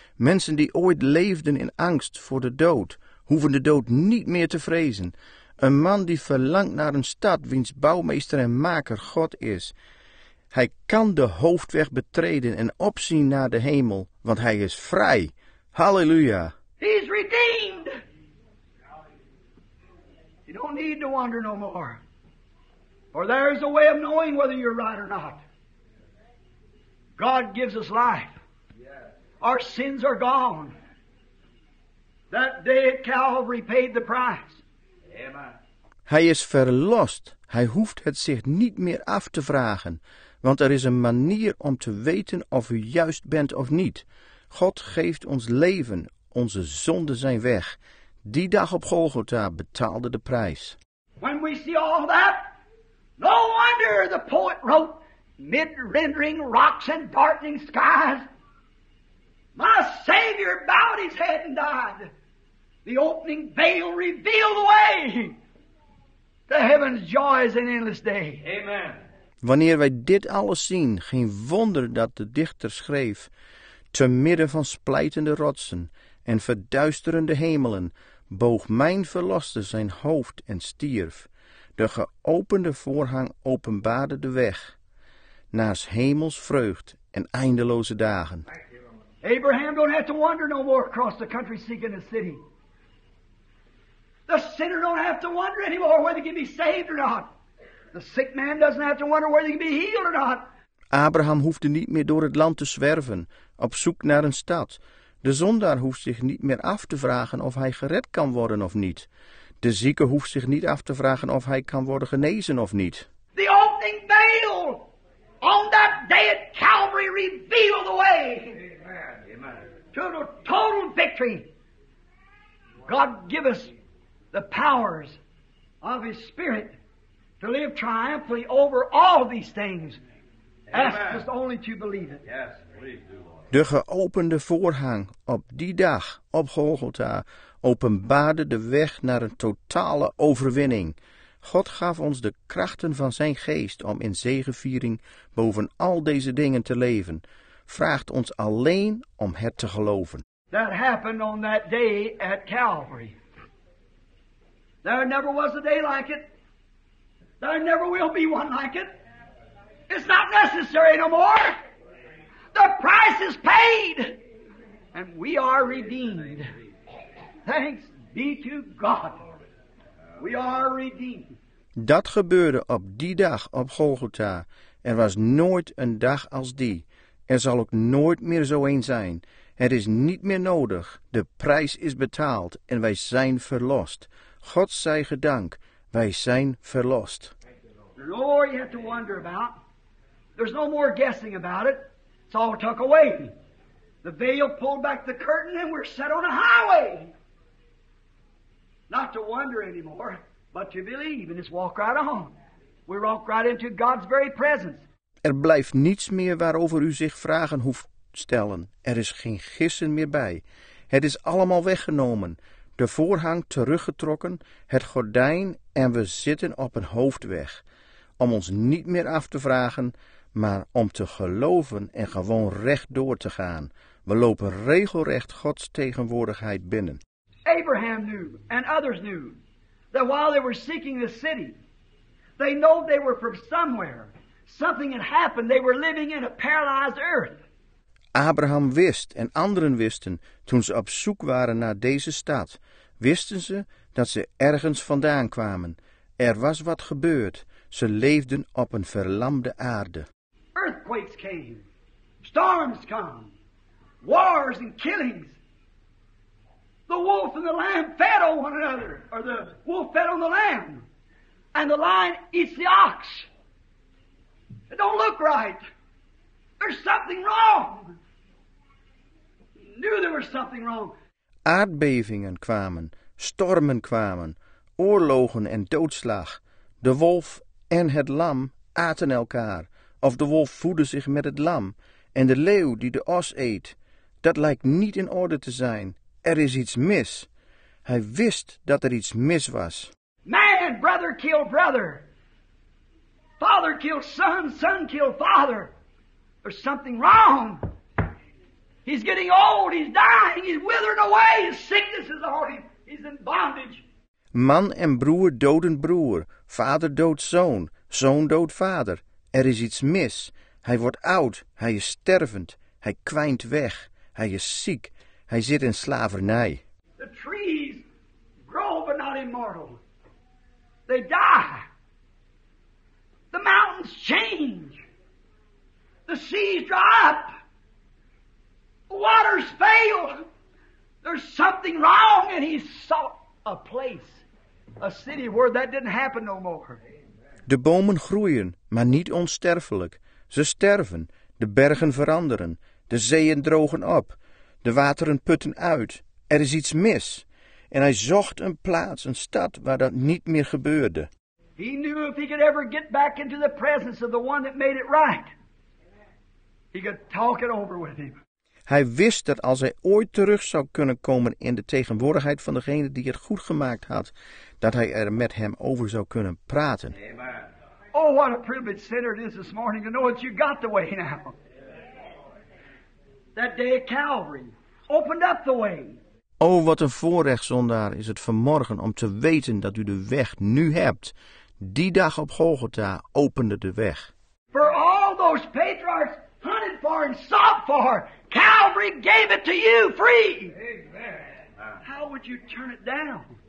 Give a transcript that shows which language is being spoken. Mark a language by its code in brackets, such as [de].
[nl] Mensen die ooit leefden in angst voor de dood, hoeven de dood niet meer te vrezen. Een man die verlangt naar een stad wiens bouwmeester en maker God is. Hij kan de hoofdweg betreden en opzien naar de hemel, want hij is vrij. Halleluja! [en] He is redeemed! You don't need to wonder no more. For there is a way of knowing whether you're right or not. God gives us life. Our sins are gone. That day at Calvary paid the price. Amen. [nl] Hij is verlost. Hij hoeft het zich niet meer af te vragen. Want er is een manier om te weten of u juist bent of niet. God geeft ons leven. Onze zonden zijn weg. Die dag op Golgotha betaalde de prijs. [en] When we see all that, no wonder the poet wrote, mid rending rocks and darkening skies, my Savior bowed his head and died. The opening veil revealed the way. The heaven's joy is an endless day. Amen. [nl] Wanneer wij dit alles zien, geen wonder dat de dichter schreef, te midden van splijtende rotsen en verduisterende hemelen, boog mijn verloste zijn hoofd en stierf. De geopende voorhang openbaarde de weg, naast hemels vreugd en eindeloze dagen. [en] Abraham don't have to wander no more across the country seeking a city. The sinner don't have to wander anymore whether he can be saved or not. The sick man doesn't have to wonder whether he can be healed or not. [nl] Abraham hoefde niet meer door het land te zwerven, op zoek naar een stad. De zondaar hoeft zich niet meer af te vragen of hij gered kan worden of niet. De zieke hoeft zich niet af te vragen of hij kan worden genezen of niet. [en] The opening veil on that day at Calvary revealed the way. Amen. To total victory. God give us the powers of his spirit to live triumphantly over all these things. Ask us only to believe it. Yes, please do, Lord. [nl] De geopende voorhang op die dag op Golgotha openbaarde de weg naar een totale overwinning. God gaf ons de krachten van zijn geest om in zegeviering boven al deze dingen te leven. Vraagt ons alleen om het te geloven. [en] That happened on that day at Calvary. There never was a day like it. There never will be one like it. It's not necessary no more. The price is paid. And we are redeemed. Thanks be to God. We are redeemed. [nl] Dat gebeurde op die dag op Golgotha. Er was nooit een dag als die. Er zal ook nooit meer zo een zijn. Het is niet meer nodig. De prijs is betaald en wij zijn verlost. God zij gedank. Wij zijn verlost. [en] There's no more you have to wonder about. There's no more guessing about it. It's all tucked away. The veil pulled back the curtain and we're set on a highway. Not to wonder anymore, but to believe and just walk right on. We walk right into God's very presence. [nl] Er blijft niets meer waarover u zich vragen hoeft stellen. Er is geen gissen meer bij. Het is allemaal weggenomen. De voorhang teruggetrokken, het gordijn en we zitten op een hoofdweg. Om ons niet meer af te vragen, maar om te geloven en gewoon recht door te gaan. We lopen regelrecht Gods tegenwoordigheid binnen. [en] Abraham knew, and others knew, that while they were seeking the city, they knew they were from somewhere. Something had happened, they were living in a paralyzed earth. [nl] Abraham wist en anderen wisten, toen ze op zoek waren naar deze stad, wisten ze dat ze ergens vandaan kwamen. Er was wat gebeurd. Ze leefden op een verlamde aarde. [en] Earthquakes came, storms came, wars and killings. The wolf and the lamb fed on one another, or the wolf fed on the lamb, and the lion eats the ox. It don't look right. There's something wrong. Knew there was something wrong. [nl] Aardbevingen kwamen, stormen kwamen, oorlogen en doodslag. De wolf en het lam aten elkaar, of de wolf voedde zich met het lam, en de leeuw die de os eet. Dat lijkt niet in orde te zijn. Er is iets mis. Hij wist dat er iets mis was. [en] Man, brother killed brother. Father killed son, son killed father. There's something wrong. He's getting old, he's dying, he's withering away. His sickness is on him, he's in bondage. [nl] Man en broer doden broer. Vader doodt zoon, zoon doodt vader. Er is iets mis. Hij wordt oud, hij is stervend. Hij kwijnt weg, hij is ziek. Hij zit in slavernij. [en] The trees grow but not immortal. They die. The mountains change. The seas dry up. The waters fail. There's something wrong, and he sought a place, a city where that didn't happen no more. [nl] De bomen groeien, maar niet onsterfelijk. Ze sterven. De bergen veranderen. De zeeën drogen op. De wateren putten uit. Er is iets mis. En hij zocht een plaats, een stad, waar dat niet meer gebeurde. [en] He knew if he could ever get back into the presence of the one that made it right, he could talk it over with him. [nl] Hij wist dat als hij ooit terug zou kunnen komen in de tegenwoordigheid van degene die het goed gemaakt had, dat hij er met hem over zou kunnen praten. [en] Amen. Oh, what a privilege, sinner, it is this morning to know that you got the way now. That day at Calvary opened up the way. [nl] Oh, wat een voorrecht, zondaar, is het vanmorgen om te weten dat u de weg nu hebt. Die dag op Golgotha opende de weg. [en] For all those patriarchs hunted for and sought for, Calvary gave it to you free. Amen. How would you turn it down?